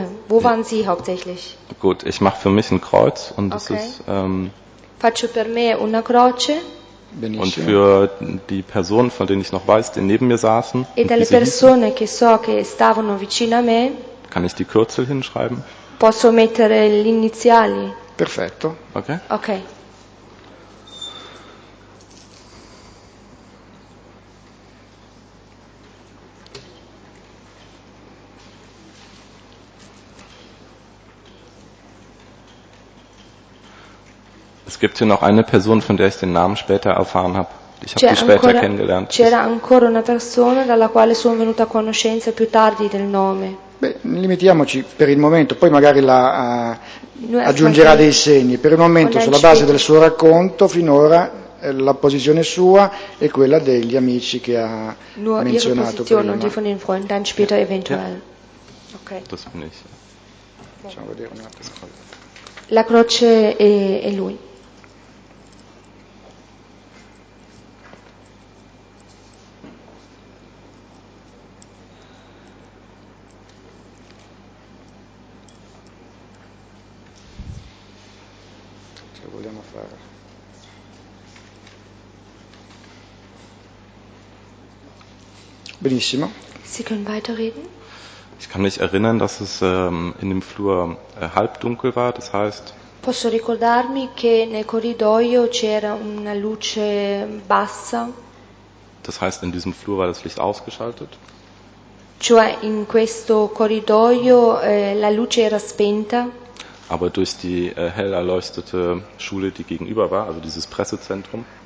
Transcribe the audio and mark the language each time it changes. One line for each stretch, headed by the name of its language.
German: Wo waren sie hauptsächlich? Gut, ich mache für mich ein Kreuz und das ist...
Italian: Faccio per me una croce. Benissimo.
German: Und für die Personen, von denen ich noch weiß, die neben mir saßen,
Italian: e dalle persone che so che stavano vicino a me,
German: kann ich die Kürzel hinschreiben?
Italian: Posso mettere gli iniziali? Perfetto. Okay. Okay.
German: Es gibt hier noch eine Person, von der ich den Namen später erfahren habe. Ich habe sie später kennengelernt.
Italian: C'era ancora una persona dalla quale sono venuta a conoscenza più tardi del nome. Beh, limitiamoci per il momento, poi magari la aggiungerà dei segni. Per il momento, sulla base del suo racconto, finora la posizione sua è quella degli amici che ha menzionato prima.
German: Nur ihre Position und die von den Freunden, dann später eventuell. Ok. Das bin ich.
Italian: Facciamo vedere un attimo. La croce è lui. Vogliamo fare. Benissimo.
German: Sie können weiterreden. Ich kann mich erinnern, dass es in dem Flur halbdunkel war, das heißt,
Italian: Posso ricordarmi che nel corridoio c'era una luce bassa?
German: Das heißt, in diesem Flur war das Licht ausgeschaltet?
Italian: Cioè, in questo corridoio la luce era spenta?
German: Aber durch die hell erleuchtete Schule, die gegenüber war, also dieses Pressezentrum?